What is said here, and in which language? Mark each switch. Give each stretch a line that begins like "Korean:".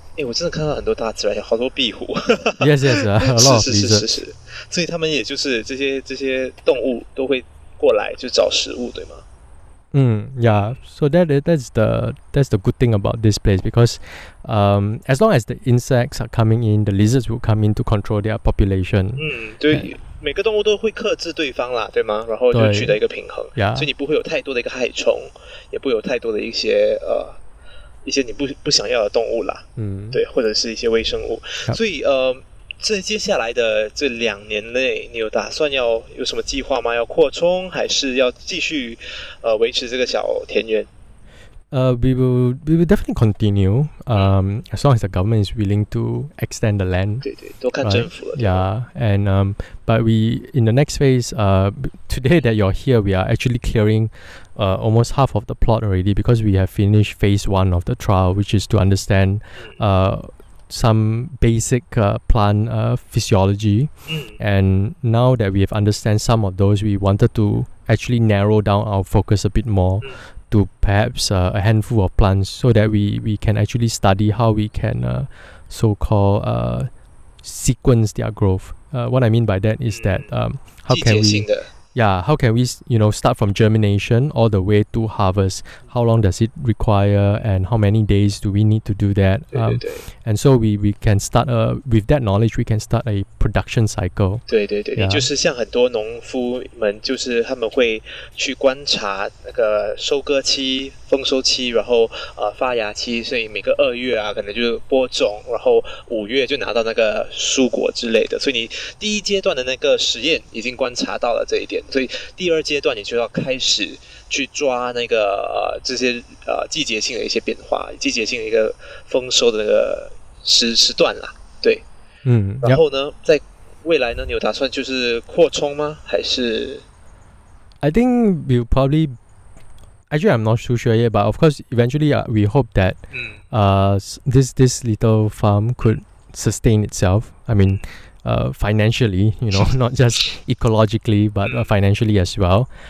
Chinese: 欸，我真的看到很多大自然，有好多壁虎。
English: Yes, yes, a lot of lizards.
Chinese: 是是是是是。所以他们也就是这些动物都会过来就找食物，对吗？
English: Yeah. So that's the good thing about this place, because as long as the insects are coming in, the lizards will come in to control their population.
Chinese: 对，
English: yeah.
Chinese: 每个动物都会克制对方啦，对吗？然后就取得一个平衡。
English: Yeah.
Chinese: 所以你不会有太多的一个害虫，也不会有太多的一些你不想要的动物啦。对，或者是一些微生物。
English: Yeah.
Chinese: 所以在接下来的这两年内，你有打算要有什么计划吗？要扩充，还是要继续维持这个小田园？
English: We will definitely continue. As long as the government is willing to extend the land.
Chinese: 对对，都看政府了。
English: Yeah, and but we in the next phase. Today that you're here, we are actually clearing almost half of the plot already, because we have finished phase one of the trial, which is to understand some basic plant physiology, and now that we have understand some of those, we wanted to actually narrow down our focus a bit more to perhaps a handful of plants, so that we can actually study how we can so-called sequence their growth. What I mean by that is that how can we you know, start from germination all the way to harvest? How long does it require, and how many days do we need to do that? And so we can start with that knowledge, we can start a production cycle.
Chinese: 对对对，也就是像很多农夫们，就是他们会去观察那个收割期、丰收期，然后发芽期，所以每个二月啊，可能就播种，然后五月就拿到那个蔬果之类的。所以你第一阶段的那个实验已经观察到了这一点，所以第二阶段你就要开始去抓那个这些季节性的一些变化，季节性的一个丰收的那个时段啦。对，嗯，然后呢，在未来呢，你有打算就是扩充吗？还是
English: ？I think we'll probably. Actually, I'm not too sure yet, but of course, eventually, we hope that this little farm could sustain itself. I mean, financially, you know, not just ecologically, but financially as well.